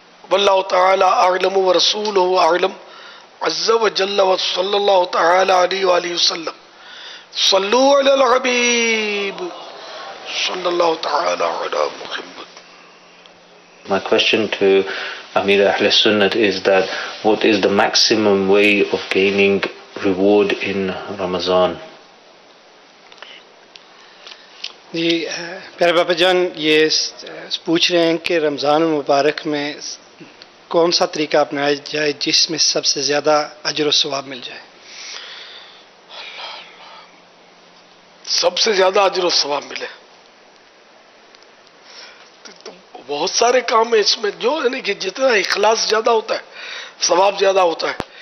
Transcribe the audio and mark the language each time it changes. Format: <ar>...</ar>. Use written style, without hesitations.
<ar>واللہ تعالی اعلم ورسولہ اعلم عز وجل وصلی اللہ تعالی علی وآلہ وسلم صلوا علی الحبیب صلی اللہ تعالی علی محمد.</ar> <en>My question to Amir Ahl Sunnat is that what is the maximum way of gaining reward in Ramadan?</en> <ur>جی پیارے بابا جان, یہ پوچھ رہے ہیں کہ رمضان المبارک میں کون سا طریقہ اپنایا جائے جس میں سب سے زیادہ اجر و ثواب مل جائے. سب سے زیادہ اجر و ثواب ملے تو بہت سارے کام ہیں اس میں, جو یعنی کہ جتنا اخلاص زیادہ ہوتا ہے ثواب زیادہ ہوتا ہے.</ur>